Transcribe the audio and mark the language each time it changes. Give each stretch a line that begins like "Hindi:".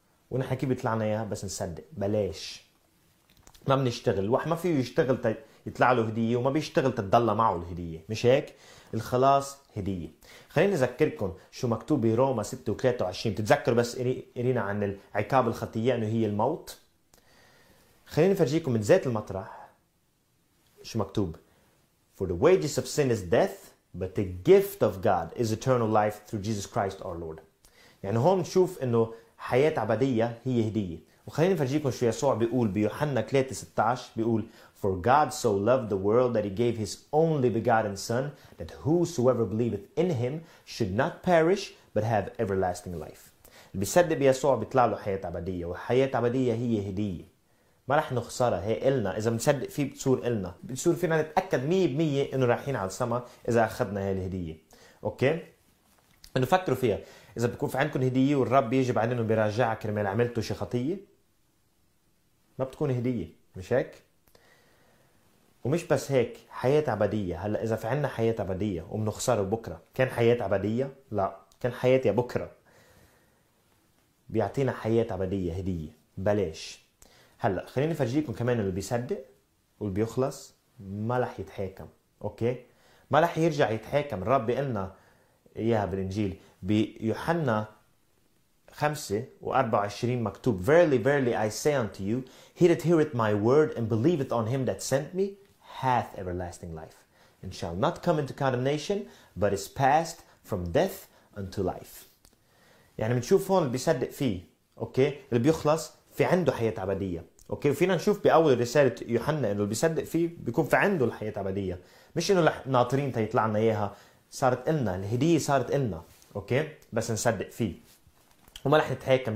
Arabic: ونحن كيف بيطلع لنا اياها؟ بس نصدق بلاش، ما بنشتغل. الواحد ما فيه يشتغل يطلع له هدية، وما بيشتغل تتضل معه الهدية، مش هيك؟ الخلاص هدية. خليني أذكركم شو مكتوب بروما 6:23، تتذكروا بس إرينا عن عقاب الخطية أنه هي الموت. خليني أفرجيكم من ذات المطرح شو مكتوب:
English: For the wages of sin is death, but the gift of God is eternal life through Jesus Christ our Lord.
Arabic: يعني هون نشوف أنه حياة عبدية هي هدية. وخليني أفرجيكم شو يسوع بيقول بيوحنا 3:16، بيقول:
English: For God so loved the world that he gave his only begotten son, that whosoever believeth in him should not perish, but have everlasting life.
Arabic: اللي بيصدق بيسوع بيطلع له حياة عبدية، وحياة عبدية هي هدية. ما رح نخسرها، هي إلنا، إذا بنصدق فيه بتصور إلنا، بتصور فينا نتأكد 100% إنه رايحين على السما إذا أخذنا هاي الهدية. أوكي؟ إنه فكروا فيها، إذا بكون في عندكم هدية والرب بيجي بعدين وبيراجعها كرمال عملتوا شي خطية، ما بتكون هدية، مش هيك؟ ومش بس هيك، حياة عبدية. هلا إذا في عنا حياة عبدية وبنخسره بكرة، كان حياة عبدية؟ لا، كان حياة يا بكرة. بيعطينا حياة عبدية هدية بلاش. هلا خليني أفرجيكم كمان اللي بيصدق واللي بيخلص ما لح يتحاكم، أوكي؟ ما لح يرجع يتحاكم. الرب بيقلنا إياها بالإنجيل بيوحنا 5:24 مكتوب:
English: Verily, verily, I say unto you, he that heareth my word and believeth on him that sent me hath everlasting life, and shall not come into condemnation, but is passed from death unto life.
Arabic: يعني بنشوف هون اللي بيصدق فيه، اوكي، اللي بيخلص في عنده حياة عبدية، اوكي. وفينا نشوف بأول رسالة يوحنا انه اللي بيصدق فيه بيكون في عنده الحياة عبدية، مش انه ناطرين تيطلع لنا اياها، صارت إلنا الهدية، صارت إلنا، اوكي، بس نصدق فيه وما رح نتحاكم.